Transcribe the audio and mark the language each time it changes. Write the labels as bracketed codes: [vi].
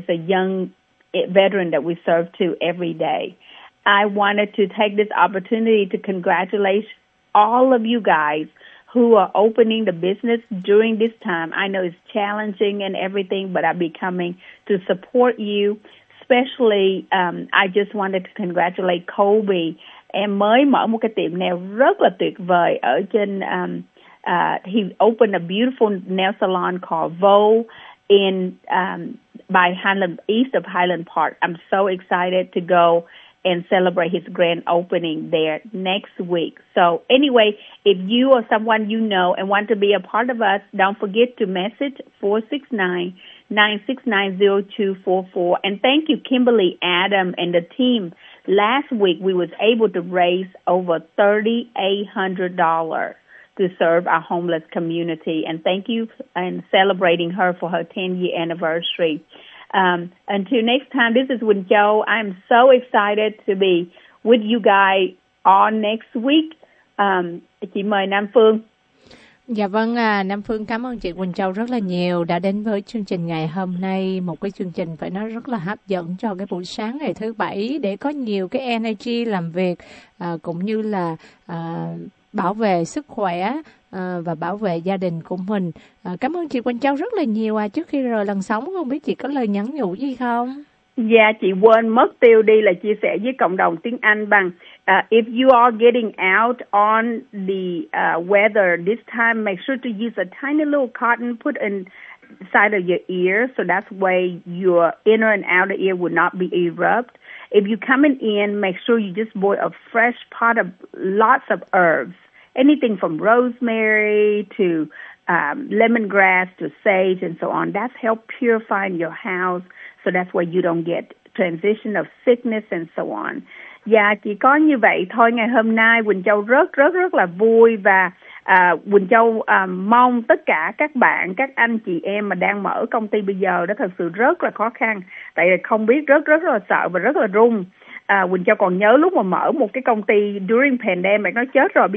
[en] It's a young veteran that we serve to every day. I wanted to take this opportunity to congratulate all of you guys who are opening the business during this time. I know it's challenging and everything, but I'll be coming to support you. Especially, I just wanted to congratulate Colby and [vi] mới mở một cái tiệm nail rất là tuyệt vời ở trên. [en] He opened a beautiful nail salon called Vo in by Highland, east of Highland Park. I'm so excited to go and celebrate his grand opening there next week. So anyway, if you or someone you know and want to be a part of us, don't forget to message 469-969-0244. And thank you, Kimberly, Adam, and the team. Last week, we was able to raise over $3,800 to serve our homeless community. And thank you and celebrating her for her 10-year anniversary. Until next time, this is Wynn Châu. I'm so excited to be with you guys all next week. [vi] Chị mời Nam Phương. Dạ vâng, Nam Phương cảm ơn chị Quỳnh Châu rất là nhiều đã đến với chương trình ngày hôm nay. Một cái chương trình phải nói rất là hấp dẫn cho cái buổi sáng ngày thứ Bảy để có nhiều cái energy làm việc cũng như là bảo vệ sức khỏe và bảo vệ gia đình của mình. Cảm ơn chị Quỳnh Châu rất là nhiều. Trước khi rời lần sóng, không biết chị có lời nhắn nhủ gì không? Dạ, chị quên mất tiêu đi là chia sẻ với cộng đồng tiếng Anh bằng [en] if you are getting out on the weather this time, make sure to use a tiny little cotton put inside of your ear, so that's way your inner and outer ear will not be erupted. If you're coming in, make sure you just boil a fresh pot of lots of herbs, anything from rosemary to lemongrass to sage and so on. That's help purifying your house, so that's why you don't get transition of sickness and so on. [vi] Dạ, chỉ có như vậy thôi. Ngày hôm nay, Quỳnh Châu rất rất rất là vui và Quỳnh Châu mong tất cả các bạn, các anh chị em mà đang mở công ty bây giờ đó thật sự rất là khó khăn. Tại vì không biết rất rất là sợ và rất là run. Quỳnh Châu còn nhớ lúc mà mở một cái công ty [en] during pandemic [vi] nó chết rồi.